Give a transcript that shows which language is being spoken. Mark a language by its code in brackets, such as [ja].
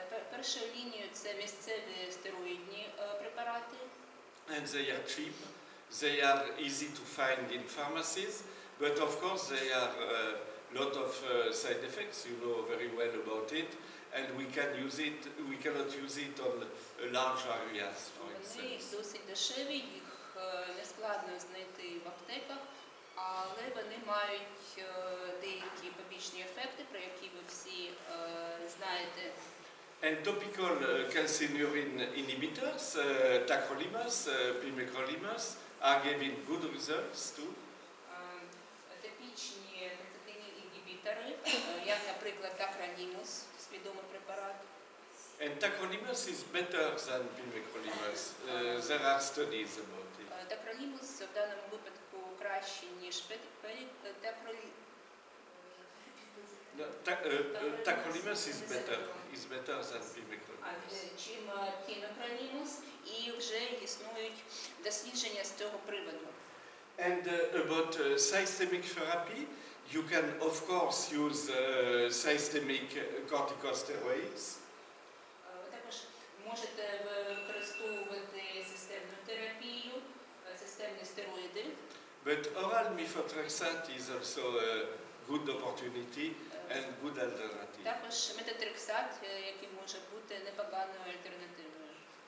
[uk] Перша лінія – це місцеві стероїдні препарати. [en] And they are cheap, they are easy to find in pharmacies, but of course they have a lot of side effects, you know very well about it, and we can use it, we cannot use it on large areas, for instance. [uk] Вони досить дешеві, їх не складно знайти в аптеках, але вони мають деякі побічні ефекти, про які ви всі знаєте. [en] And topical calcineurin inhibitors, tacrolimus, pimecrolimus, are giving good results too. [uk] Типічні процитинні інгібітори, як, наприклад, tacrolimus, свідомий препарат. [en] And tacrolimus is better than pimecrolimus. There are studies about it. [uk] Tacrolimus в даному випадку краще, ніж tacrolimus. [en] Tacrolimus is better. Is better than pimecrolimus. [uk] Чим pimecrolimus, і вже існують дослідження з цього приводу. [en] And about systemic therapy, you can of course use systemic corticosteroids. [uk] Також можете використовувати системну терапію, системні стероїди. [en] But oral methotrexate is also good opportunity and good alternative. [uk] Також метотрексат, який може бути непоганою альтернативою.